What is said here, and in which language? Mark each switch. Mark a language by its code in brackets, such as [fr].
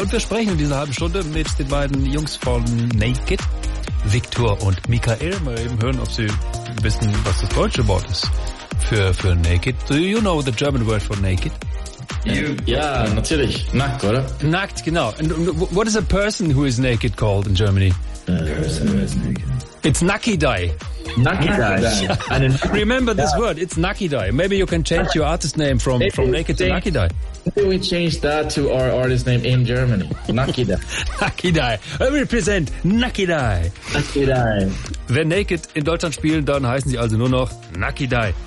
[de] Und wir sprechen in dieser halben Stunde mit den beiden Jungs von Naked, Viktor und Michael. Mal eben hören, ob sie wissen, was das deutsche Wort ist für Naked. [en] Do you know the German word for Naked? [de] Natürlich. Nackt, oder? Nackt, genau. [en] And what is a person who is naked called in Germany? Person who is naked. It's Nackidai. [de] Nackidai. [en] Remember this word, it's Nackidai. Maybe you can change your artist name from Naked to Nackidai. Maybe we change that to our artist name in Germany. [de] Nackidai. [en] Nackidai. I represent Nackidai. [de] Nackidai. Wenn Naked in Deutschland spielen, dann heißen sie also nur noch Nackidai.